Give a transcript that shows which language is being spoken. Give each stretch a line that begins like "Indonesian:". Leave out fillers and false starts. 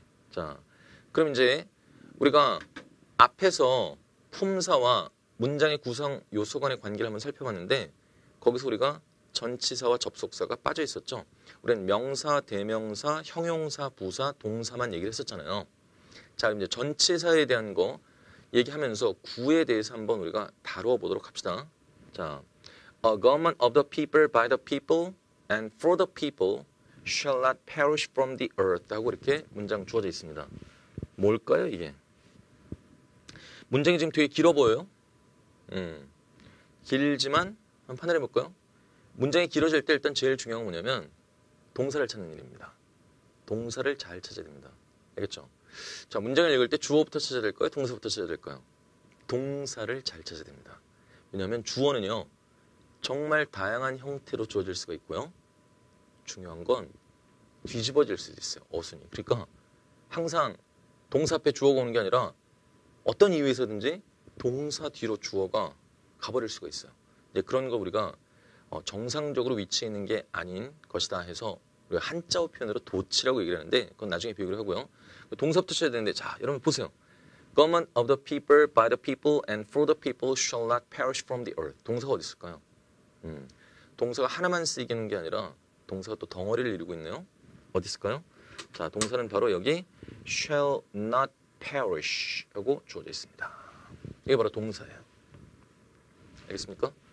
Korean: 자, 그럼 이제 우리가 앞에서 품사와 문장의 구성 요소 간의 관계를 한번 살펴봤는데 거기서 우리가 전치사와 접속사가 빠져있었죠. 우리는 명사, 대명사, 형용사, 부사, 동사만 얘기를 했었잖아요. 자, 이제 전치사에 대한 거 얘기하면서 구에 대해서 한번 우리가 다루어 보도록 합시다. 자,
English: A government of the people, by the people, and for the people shall not perish from the earth
Korean: 하고 이렇게 문장 주어져 있습니다. 뭘까요, 이게? 문장이 지금 되게 길어 보여요. 길지만 한번 판단해 볼까요? 문장이 길어질 때 일단 제일 중요한 건 뭐냐면 동사를 찾는 일입니다. 동사를 잘 찾아야 됩니다. 알겠죠? 자, 문장을 읽을 때 주어부터 찾아야 될까요? 동사부터 찾아야 될까요? 동사를 잘 찾아야 됩니다. 왜냐하면 주어는요. 정말 다양한 형태로 주어질 수가 있고요. 중요한 건 뒤집어질 수도 있어요. 어순이. 그러니까 항상 동사 앞에 주어가 오는 게 아니라 어떤 이유에서든지 동사 뒤로 주어가 가버릴 수가 있어요. 이제 그런 거 우리가 정상적으로 위치해 있는 게 아닌 것이다 해서 우리가 한자어 표현으로 도치라고 얘기를 하는데 그건 나중에 비교를 하고요. 동사부터 쳐야 되는데 자, 여러분 보세요.
English: Government of the people, by the people, and for the people shall not perish from the earth.
Korean: 동사가 어디 있을까요? 동사가 하나만 쓰이는 게 아니라 동사가 또 덩어리를 이루고 있네요. 어디 있을까요? 자, 동사는 바로 여기
English: shall not perish
Korean: 하고 주어져 있습니다. 이게 바로 동사예요. 알겠습니까?